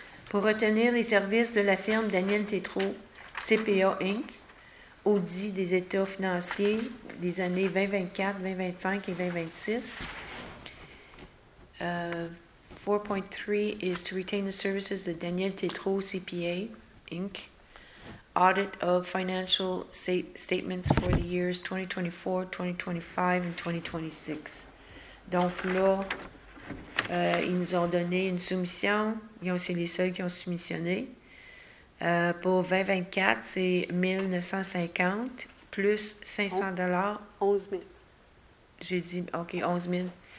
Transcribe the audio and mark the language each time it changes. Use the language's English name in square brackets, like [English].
[French] Pour retenir les services de la firme Daniel Tétrault, CPA Inc., audit des états financiers des années 2024, 2025 et 2026. [English] 4.3 is to retain the services of Daniel Tétrault, CPA Inc., audit of financial statements for the years 2024, 2025, and 2026. [French] Donc là, ils nous ont donné une soumission. C'est les seuls qui ont soumissionné. Pour 2024, c'est 1950 plus 500 $ 11 000. J'ai dit, OK, 11 000.